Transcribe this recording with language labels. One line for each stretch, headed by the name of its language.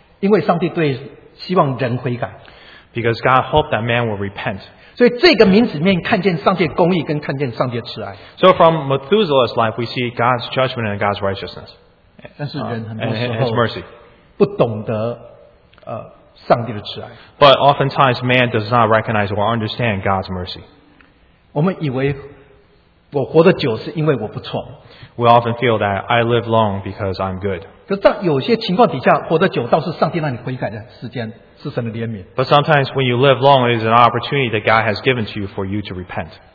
Chinese: 因为上帝对希望人悔改。
English: Because God hoped that man will repent.
Chinese: 所以这个名字里面看见上帝的公义跟看见上帝的慈爱。
English: So from Methuselah's life, we see God's judgment and God's righteousness.
Chinese: 但是人很多时候
English: His mercy.
Chinese: 不懂得上帝的慈爱。
English: But oftentimes man does not recognize or understand God's mercy.
Chinese: 我们以为我活得久是因为我不错。
English: We often feel that I live long because I'm good.
Chinese: 可是在有些情况底下，活得久倒是上帝让你悔改的时间。
English: But sometimes when you live long, it is an opportunity that God has given to you for you to repent.